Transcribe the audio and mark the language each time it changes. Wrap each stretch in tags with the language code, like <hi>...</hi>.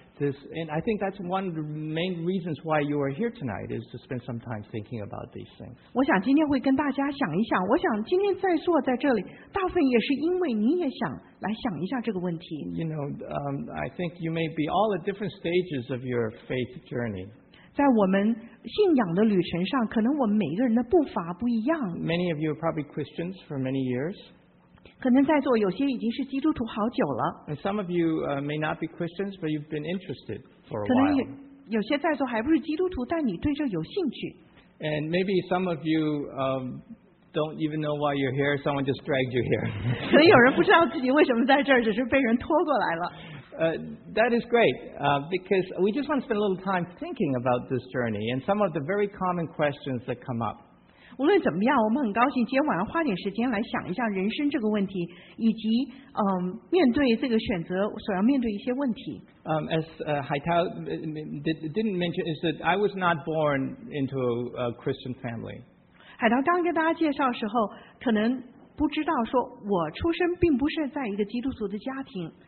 <en>This, and I think that's one of the main reasons why you are here tonight is to spend some time thinking about these things.</en> <zh>我想今天会跟大家想一想，我想今天在座在这里，大部分也是因为你也想来想一下这个问题。</zh> <en>You know, I think you may be all at different stages of your faith journey.</en> <zh>在我们信仰的旅程上，可能我们每个人的步伐不一样。</zh> <en>Many of you are probably Christians for many years.</en> <zh>可能在座有些已经是基督徒好久了。</zh> <en>And some of you may not be Christians, but you've been interested for a while.</en> <zh>可能有些在座还不是基督徒，但你对这有兴趣。</zh> <en>And maybe some of you don't even know why you're here. Someone just dragged you here.</en> <zh>可能有人不知道自己为什么在这儿，只是被人拖过来了。</zh> <en>That is great, because we just want to spend a little time thinking about this journey and some of the very common questions that come up.</en> <zh>无论怎么样，我们很高兴今天晚上花点时间来想一下人生这个问题，以及面对这个选择所要面对一些问题。</zh> <en>As Haitao didn't mention is that I was not born into a Christian family.</en> <zh>海涛刚跟大家介绍的时候，可能不知道说我出生并不是在一个基督徒的家庭。</zh>